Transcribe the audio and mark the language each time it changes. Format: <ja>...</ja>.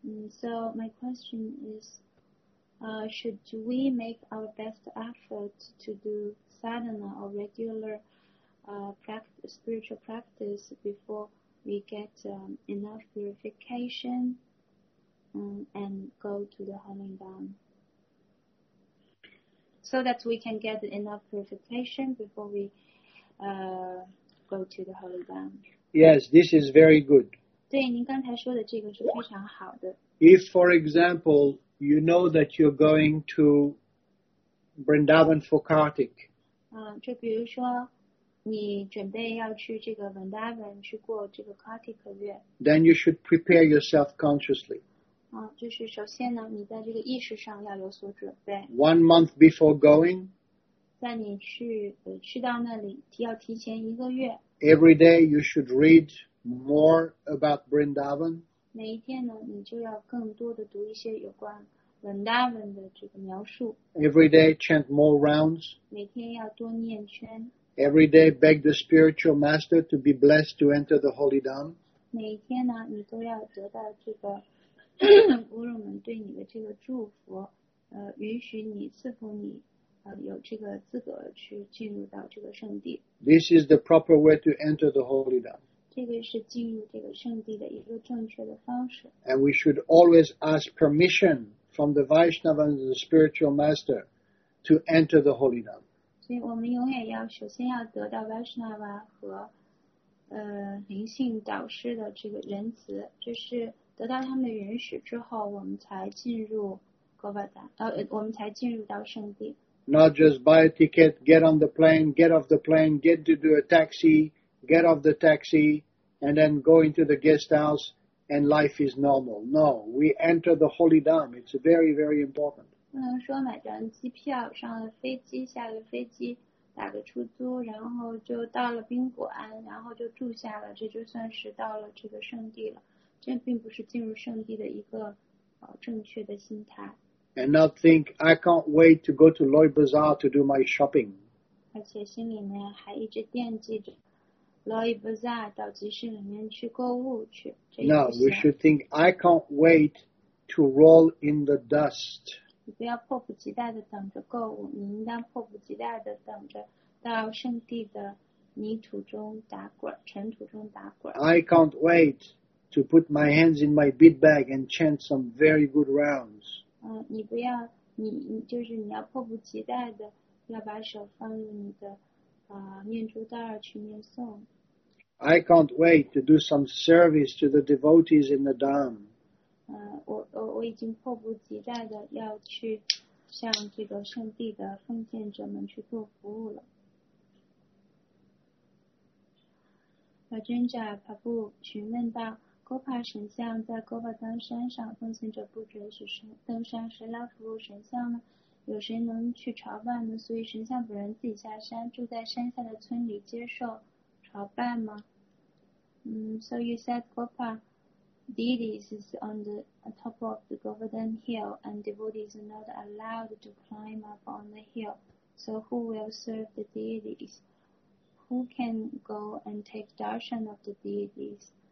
<en>So my question is, should we make our best effort to do sadhana or regular practice, spiritual practice before we get enough purification and go to the holding down? So that we can get enough purification before we go to the holding down. Yes, this is very good.</en> <zh>对，您刚才说的这个是非常好的。</zh> <en>If, for example, you know that you're going to Vrindavan for Kartik.</en> <zh>就比如说你准备要去这个 Vrindavan 去过这个 Kartik 月。</zh> <en>Then you should prepare yourself consciously.</en> <zh>就是首先呢你在这个意识上要有所准备。</zh> <en>1 month before going.</en> <zh>在你去到那里要提前一个月。</zh> <en>Every day you should read. More about Vrindavan.</en> <zh>每一天呢，你就要更多的读一些有关 Vrindavan 的这个描述。</zh> <en>Every day chant more rounds.</en> <zh>每天要多念圈。</zh> <en>Every day beg the spiritual master to be blessed to enter the holy dham.</en> <zh>每一天呢，你都要得到这个古鲁们对你的这个祝福，允许你赐福你。有这个资格去进入到这个圣地。</zh> <en>This is the proper way to enter the holy dham.</en> <zh>这个是进入这个圣地的一个正确的方式。</zh> <en>And we should always ask permission from the Vaishnava and the spiritual master to enter the holy dham.</en> <zh>所以我们永远要首先要得到 Vaishnava 和灵性导师的这个仁慈，就是得到他们的允许之后，我们才进入 Govardhan， 我们才进入到圣地。</zh> <en>Not just buy a ticket, get on the plane, get off the plane, get to do a taxi. Get off the taxi and then go into the guest house and life is normal. No, we enter the holy dham. It's very, very important.</en> <zh>不能说买张机票，上了飞机，下了飞机，打个出租，然后就到了宾馆，然后就住下了，这就算是到了这个圣地了。这并不是进入圣地的一个正确的心态。</zh> <en>And not think, I can't wait to go to Lloyd Bazaar to do my shopping.</en> <zh>而且心里面还一直惦记着Lloyd Bazaar 到集市里面去购物去。</zh> <en>No, we should think, I can't wait to roll in the dust.</en> <zh>你不要迫不及待地等着购物，你应当迫不及待地等着到圣地的泥土中打滚，尘土中打滚。</zh> <en>I can't wait to put my hands in my bead bag and chant some very good rounds.</en> <zh>你不要，就是你要迫不及待地要把手放入你的念珠袋去念诵。</zh> <en>I can't wait to do some service to the devotees in the dham.</en> <zh>我已经迫不及待的要去向这个圣地的奉献者们去做服务了。 Rajendra Prabhu 询问到 ，Gopa 神像在 Govardhan 山上，奉献者不准许登山，谁来服务神像呢？有谁能去朝拜呢？所以神像本人自己下山，住在山下的村里接受朝拜吗？</zh> <en>So you said Gopa deities is on the top of the Govardhan hill and devotees are not allowed to climb up on the hill. So who will serve the deities? Who can go and take darshan of the deities?</en>